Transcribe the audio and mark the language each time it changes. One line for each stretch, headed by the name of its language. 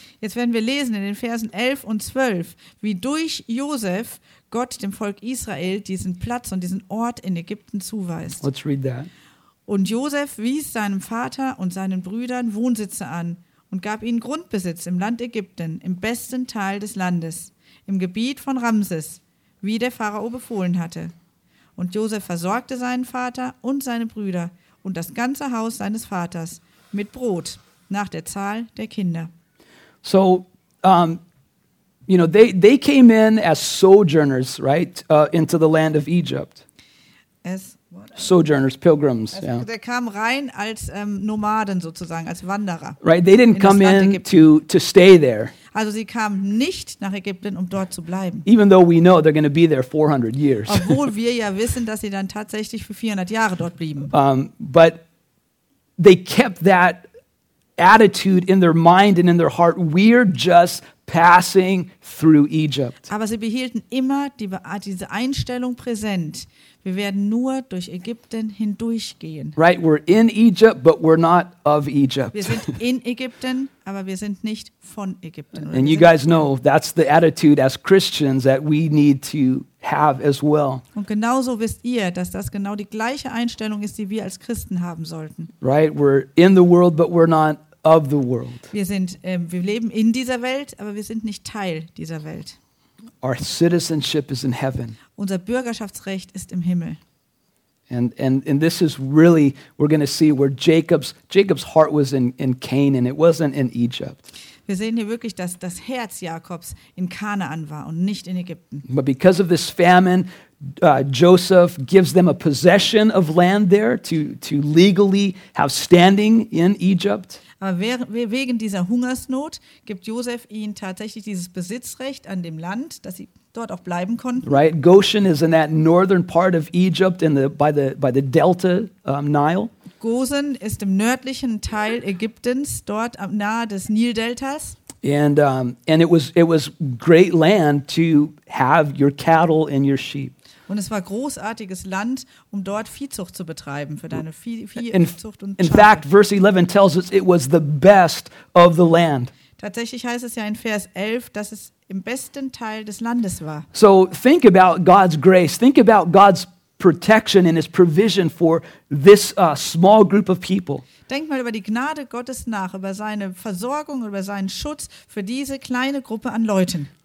German: Jetzt werden wir lesen in den Versen 11 und 12, wie durch Joseph Gott dem Volk Israel diesen Platz und diesen Ort in Ägypten zuweist.
English: Let's read that.
German: Und Joseph wies seinem Vater und seinen Brüdern Wohnsitze an und gab ihnen Grundbesitz im Land Ägypten, im besten Teil des Landes, im Gebiet von Ramses, wie der Pharao befohlen hatte. Und Josef versorgte seinen Vater und seine Brüder und das ganze Haus seines Vaters mit Brot nach der Zahl der Kinder.
English: So, you know, they came in as sojourners, right, into the land of Egypt. As sojourners, pilgrims. Also, yeah.
German: Der kam rein als Nomaden sozusagen, als Wanderer.
English: Right, they didn't come in to stay there.
German: Also sie kamen nicht nach Ägypten, um dort zu bleiben.
English: Even though we know they're going to be there 400 years.
German: Obwohl wir ja wissen, dass sie dann tatsächlich für 400 Jahre dort blieben.
English: But they kept that attitude in their mind and in their heart. We're just passing through Egypt.
German: Aber sie behielten immer diese Einstellung präsent. Wir werden nur durch Ägypten hindurchgehen.
English: Right, we're in Egypt, but we're not of Egypt.
German: Wir sind in Ägypten, aber wir sind nicht von Ägypten.
English: And you guys know, that's the attitude as Christians that we need to have as well.
German: Und genauso wisst ihr, dass das genau die gleiche Einstellung ist, die wir als Christen haben sollten.
English: Right, we're in the world, but we're not of the world.
German: Wir sind, wir leben in dieser Welt, aber wir sind nicht Teil dieser Welt.
English: Our citizenship is in heaven.
German: Unser Bürgerschaftsrecht ist im Himmel.
English: And this is really, we're going to see where Jacob's heart was in Canaan. It wasn't in Egypt.
German: Wir sehen hier wirklich, dass das Herz Jakobs in Kanaan war und nicht in Ägypten.
English: But because of this famine, Joseph gives them a possession of land there to legally have standing in Egypt.
German: Aber wegen dieser Hungersnot gibt Josef ihnen tatsächlich dieses Besitzrecht an dem Land, dass sie dort auch bleiben konnten.
English: Right, Goshen is in that northern part of Egypt in the by the Delta Nile.
German: Goshen ist im nördlichen Teil Ägyptens, dort nahe des Nildeltas.
English: And it was great land to have your cattle and your sheep.
German: Und es war großartiges Land, um dort Viehzucht zu betreiben für deine Viehzucht und Schafe.
English: In fact, verse 11 tells us it was the best of the land.
German: Tatsächlich heißt es ja in Vers 11, dass es im besten Teil des Landes war.
English: So think about God's grace. Think about God's protection and his provision for this small group of people.
German: Denk mal über die Gnade Gottes nach, über seine Versorgung, über seinen Schutz für diese kleine Gruppe an Leuten.